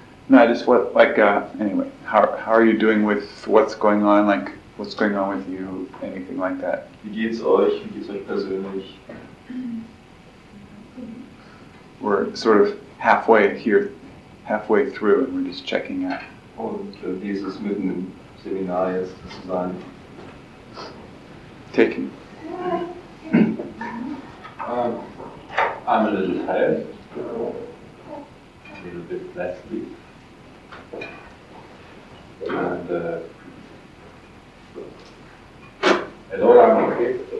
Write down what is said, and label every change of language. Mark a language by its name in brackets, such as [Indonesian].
[English] No, I just want, anyway, how are you doing with what's going on? Like, what's going on with you? Anything like that? [German] Wie geht's euch? Wie geht's euch persönlich? [English] We're sort of halfway here, halfway through, and we're just checking out. [German] Und dieses mitten im Seminar jetzt zu sein. [English] Taking. I'm a little tired, a little bit lazy, and I'm okay.